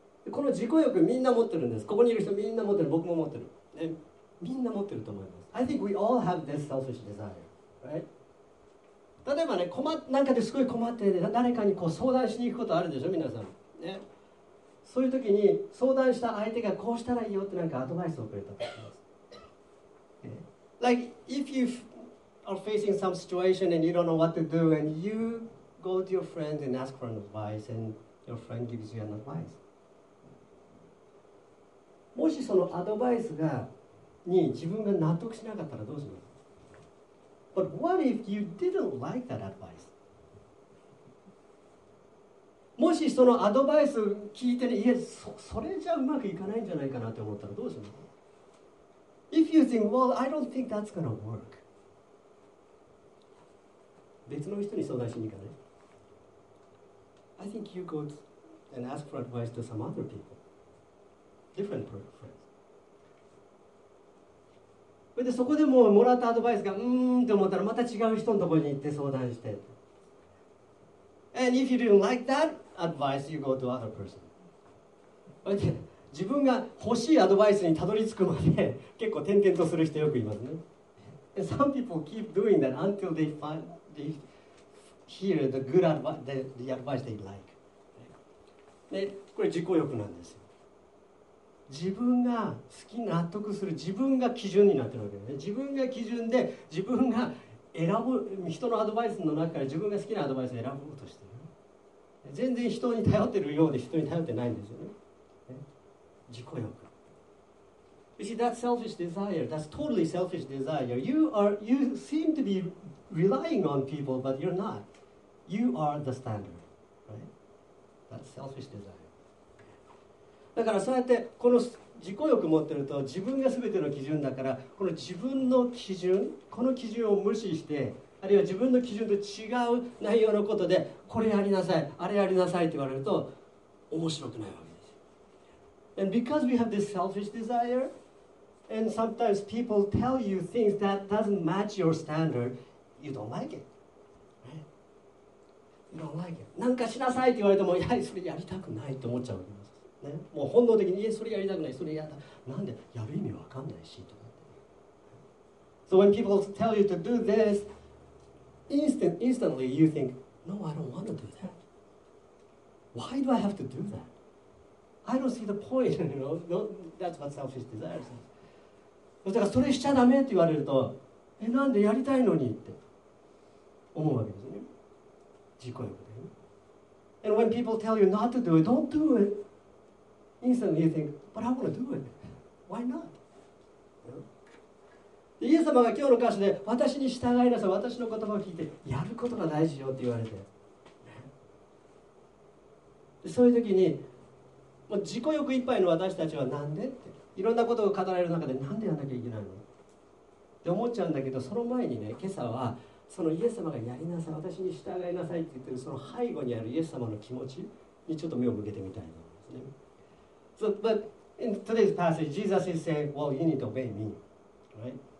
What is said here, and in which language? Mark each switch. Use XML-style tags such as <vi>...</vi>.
<ja>この自己欲みんな持ってるんです。ここにいる人みんな持ってる。僕も持ってる。ね、みんな持ってると思います。</ja> <en>I think we all have this selfish desire, right?</en> <ja>例えばね、なんかですごい困ってて、誰かにこう相談しに行くことあるでしょ、皆さん、ね。そういう時に相談した相手がこうしたらいいよってなんかアドバイスをくれたと思います。</ja> <en>Like, if you are facing some situation and you don't know what to do, and you go to your friend and ask for an advice, and your friend gives you an advice.</en> <ja>もしそのアドバイスがに自分が納得しなかったらどうしますか？</ja> <en>But what if you didn't like that advice?</en> <ja>もしそのアドバイス聞いてね、いや、それじゃうまくいかないんじゃないかなって思ったらどうしますか？</ja> <en>you think, well, I don't think that's going to work.</en> <ja>別の人に相談しに行かない?</ja> <en>I think you go and ask for advice to some other people. Different friends.</en> <ja>でそこでももらったアドバイスが、うーんって思ったら、また違う人のところに行って相談して。</ja> <en>And if you didn't like that advice, you go to other person. Okay.</en> <ja>自分が欲しいアドバイスにたどり着くまで結構転々とする人よくいますね。</ja> <en>And some people keep doing that until they find, they hear the good advice, the advice they like.</en> <ja>で、これ自己欲なんですよ。自分が好き、納得する自分が基準になってるわけですね。自分が基準で、自分が選ぶ人のアドバイスの中から自分が好きなアドバイスを選ぼうとしてる。全然人に頼ってるようで人に頼ってないんですよね。自己欲。</ja> <en>You see, that selfish desire, that's totally selfish desire. You seem to be relying on people, but you're not. You are the standard, right? That's selfish desire.</en> <ja>だからそうやってこの自己欲持ってると自分が全ての基準だからこの自分の基準、この基準を無視してあるいは自分の基準と違う内容のことでこれやりなさい、あれやりなさいって言われると面白くないわけ。</ja> <en>And because we have this selfish desire, and sometimes people tell you things that doesn't match your standard, you don't like it. You don't like it.</en> <ja>なんかしなさいって言われても、いや、それやりたくないって思っちゃうわけです。ね、もう本能的に、いや、それやりたくない、それやだ。なんで、やる意味わかんないし、とか。</ja> <en>So when people tell you to do this, instantly you think, no, I don't want to do that. Why do I have to do that? I don't see the point, you know. No, that's what selfish desire says.</en> <ja>だからそれしちゃダメって言われると、え、なんでやりたいのにって思うわけですね。自己欲で。</ja> <en>And when people tell you not to do it, don't do it. Instantly you think, but I want to do it. Why not? You know?</en> <ja>イエス様が今日の歌詞で、私に従いなさい、私の言葉を聞いて、やることが大事よって言われて。でそういう時に、もう自己欲いっぱいの私たちはなんでっていろんなことを語られる中でなんでやんなきゃいけないのって思っちゃうんだけどその前にね今朝はそのイエス様がやりなさい私に従いなさいって言ってるその背後にあるイエス様の気持ちにちょっと目を向けてみたいと思いますね。</ja> <en>So, but in today's passage, Jesus is saying, well, you need to obey me, right?</en>